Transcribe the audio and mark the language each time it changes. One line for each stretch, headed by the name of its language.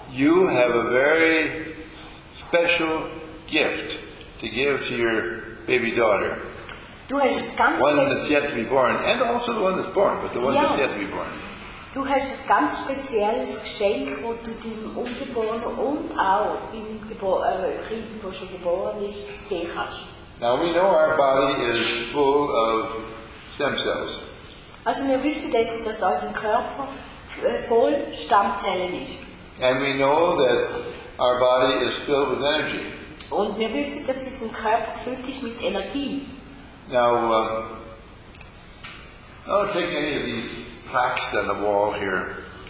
English: You have a very special gift to give to your baby daughter.
German: Du hast es ganz
English: one that's yet to be born, and also the one that's born, but the one that's yet to be born.
German: Du hast ein ganz spezielles Geschenk, wo du deinem Ungeborenen und auch im Kind, der schon geboren ist, geben kannst.
English: Now we know our body is full of stem cells.
German: Also wir wissen jetzt, dass unser Körper voll Stammzellen ist.
English: And we know that our body is filled with energy.
German: Und wir wissen, dass unser Körper gefüllt ist mit Energie.
English: Now, I'll take any of these plaques on the wall here.